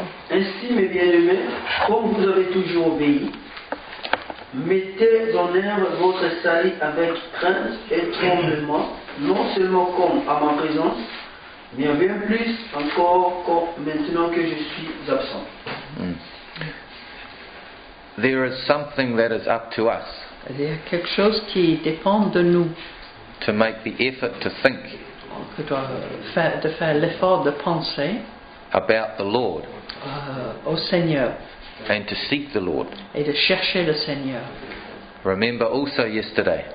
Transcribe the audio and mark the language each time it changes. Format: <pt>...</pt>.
<fr>Ainsi, mes bien-aimés, comme vous avez toujours obéi, mettez en œuvre votre salut avec crainte et tremblement, non seulement comme à ma présence, mais bien plus encore comme maintenant que je suis absent. Mm.</fr> <en>There is something that is up to us.</en> <fr>Il y a quelque chose qui dépend de nous.</fr> <en>To make the effort to think.</en> <fr>On doit faire l'effort de penser.</fr> <en>About the Lord.</en> <fr>Au Seigneur.</fr> <en>And to seek the Lord.</en> <fr>Et de chercher le Seigneur.</fr> <en>Remember also yesterday.</en>